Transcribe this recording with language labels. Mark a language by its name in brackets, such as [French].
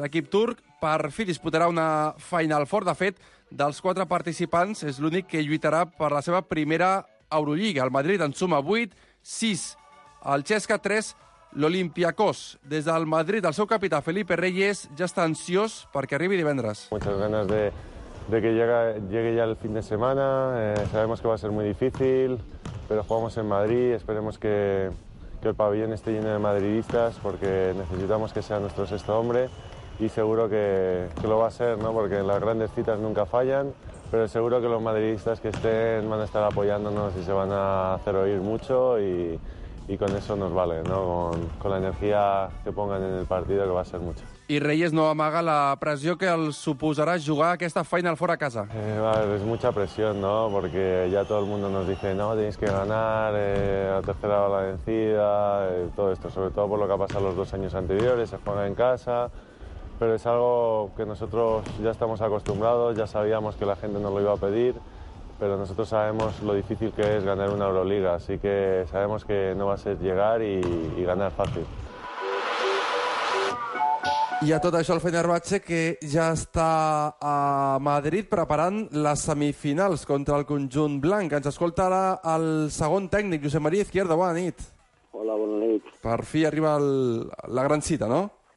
[Catalan] L'equip turc per fi disputarà una Final Four. De fet, dels quatre participants, és l'únic que lluitarà per la seva primera Eurolliga. El Madrid en suma 8, 6, el Xesca 3, l'Olympiacos. Des del Madrid, el seu capità, Felipe Reyes, ja està ansiós perquè arribi divendres. [Spanish] Muchas ganas de que llegue ya el fin de semana. Sabemos que va a ser muy difícil, pero jugamos en Madrid. Esperemos que el pabellón esté lleno de madridistas, porque necesitamos que sea nuestro sexto hombre. Y seguro que lo va a ser, ¿no? Porque las grandes citas nunca fallan, pero seguro que los madridistas que estén van a estar apoyándonos y se van a hacer oír mucho, y con eso nos vale, ¿no? Con la energía que pongan en el partido, que va a ser mucho. [Catalan] I Reyes no amaga la pressió que el suposarà jugar aquesta Final Four a casa. [Spanish] Es mucha presión, ¿no? Porque ya todo el mundo nos dice, no, tenéis que ganar, la tercera va la vencida, todo esto, sobre todo por lo que ha pasado los dos años anteriores, se juega en casa. Pero es algo que nosotros ya estamos acostumbrados, ya sabíamos que la gente nos lo iba a pedir, pero nosotros sabemos lo difícil que es ganar una Euroliga, así que sabemos que no va a ser llegar y ganar fácil. [Catalan] I a tot això el Fenerbahçe, que ja està a Madrid preparant les semifinals contra el conjunt blanc. Ens escolta ara el segon tècnic, Josep Maria Izquierdo. Bona nit. Hola, bona nit. Per fi arriba la gran cita, no?